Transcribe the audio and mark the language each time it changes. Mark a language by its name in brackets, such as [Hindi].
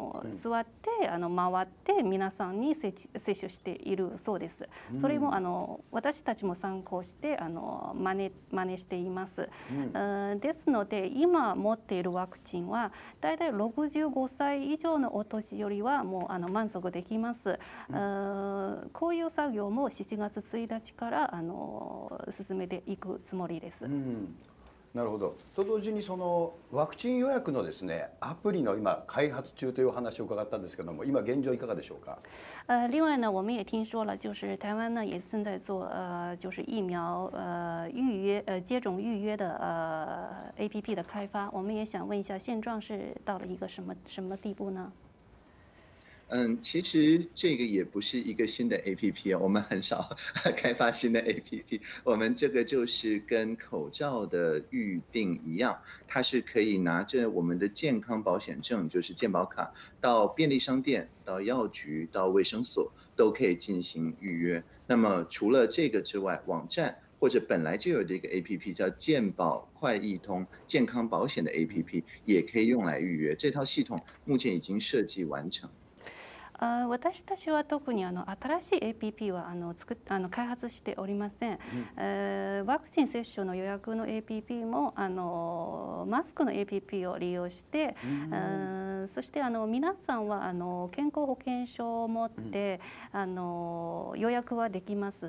[Japanese] 座って回って皆さんに接種しているそうです、うん、それも私たちも参考して真似しています、うん、ですので今持っているワクチンはだいたい65歳以上のお年寄りはもう満足できます、うん、こういう作業も7月1日から進めていくつもりです、うん。なるほど。と同時にそのワクチン予約のですね、アプリの今開発中というお話を伺ったんですけども、今現状いかがでしょうか。 [Chinese] 另外呢，我们也听说了，就是台湾呢也正在做就是疫苗预约接种预约的APP 的开发。我们也想问一下，现状是到了一个什么地步呢？其实这个也不是一个新的 APP，我们很少开发新的 APP。我们这个就是跟口罩的预订一样，它是可以拿着我们的健康保险证，就是健保卡，到便利商店、到药局、到卫生所都可以进行预约。那么除了这个之外，网站或者本来就有的一个 APP 叫健保快易通健康保险的 APP 也可以用来预约。这套系统目前已经设计完成。 [Japanese] 私たちは特に新しい APP は開発しておりません。ワクチン接種の予約の APP もマスクの APP を利用して、そして皆さんは健康保険証を持って予約はできます。